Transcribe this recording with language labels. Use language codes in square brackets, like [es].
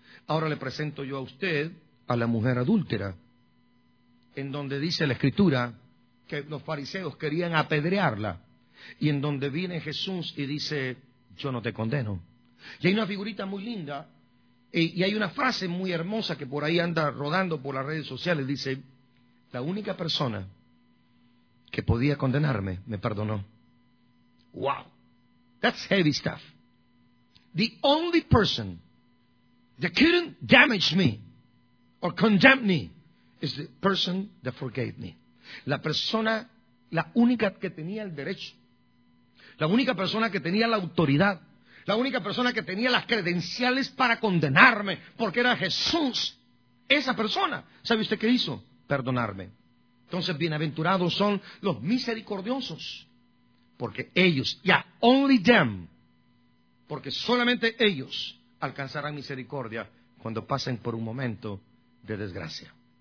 [es] Ahora le presento yo a usted a la mujer adúltera, en donde dice la Escritura que los fariseos querían apedrearla, y en donde viene Jesús y dice, yo no te condeno. Y hay una figurita muy linda, y hay una frase muy hermosa que por ahí anda rodando por las redes sociales, dice, la única persona que podía condenarme me perdonó. [en] Wow, that's heavy stuff. The only person that couldn't damage me or condemn me is the person that forgave me. [es] La persona, la única que tenía el derecho, la única persona que tenía la autoridad, la única persona que tenía las credenciales para condenarme, porque era Jesús, esa persona, ¿sabe usted qué hizo? Perdonarme. Entonces, bienaventurados son los misericordiosos, porque ellos, [en] yeah, only them, [es] porque solamente ellos alcanzarán misericordia cuando pasen por un momento de desgracia.